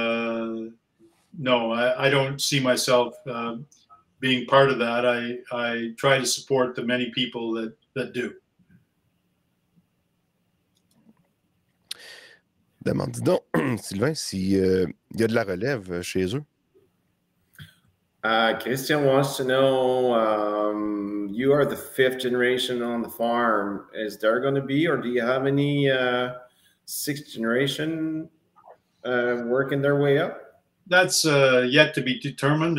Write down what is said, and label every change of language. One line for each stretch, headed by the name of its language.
English: But I don't see myself being part of that. I try to support the many people that do.
French: Demande donc, Sylvain, s'il y a de la relève chez eux.
English: Christian wants to know, you are the fifth generation on the farm. Is there going to be, or do you have any sixth generation working their way up? That's yet to be determined.